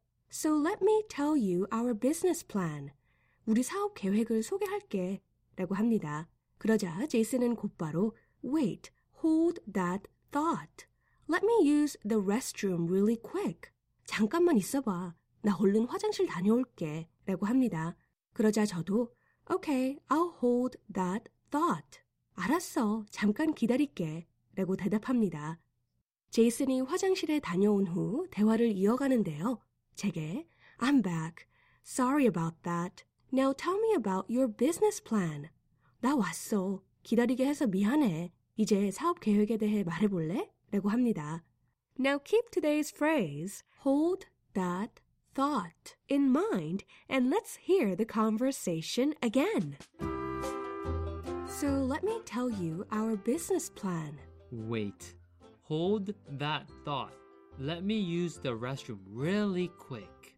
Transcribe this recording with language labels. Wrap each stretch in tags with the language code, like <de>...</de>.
<en>So let me tell you our business plan.</en> <ko>우리 사업 계획을 소개할게 라고 합니다. 그러자 제이슨은 곧바로</ko> <en>Wait, hold that thought. Let me use the restroom really quick.</en> <ko>잠깐만 있어봐. 나 얼른 화장실 다녀올게 라고 합니다. 그러자 저도</ko> <en>Okay, I'll hold that thought.</en> <ko>알았어, 잠깐 기다릴게 라고 대답합니다. 제이슨이 화장실에 다녀온 후 대화를 이어가는데요. 제게</ko> <en>I'm back. Sorry about that. Now tell me about your business plan.</en> <ko>나 왔어. 기다리게 해서 미안해. 이제 사업 계획에 대해 말해볼래? 라고 합니다.</ko> <en>Now keep today's phrase, hold that thought, in mind, and let's hear the conversation again. So let me tell you our business plan. Wait. Hold that thought. Let me use the restroom really quick.</en>